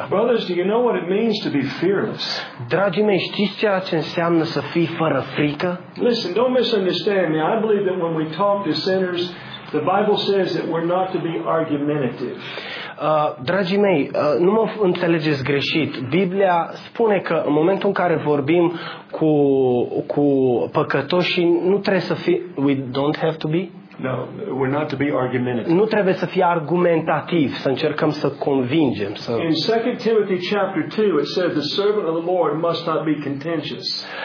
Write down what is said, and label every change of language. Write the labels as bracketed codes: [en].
[en] Brothers, do you know what it means to be fearless? [ro] Dragii mei, știți ceea ce înseamnă să fii fără frică? [en] Listen, don't misunderstand me. I believe that when we talk to sinners, the Bible says that we're not to be argumentative. [ro] Dragii mei, nu mă înțelegeți greșit. Biblia spune că în momentul în care vorbim cu păcătoșii, nu trebuie să fi, [en] we don't have to be. No, we're not to be argumentative. [ro] Nu trebuie să fie argumentativ, să încercăm să convingem, să. [en] In 2 Timothy chapter 2 it says the servant of the Lord must not be contentious.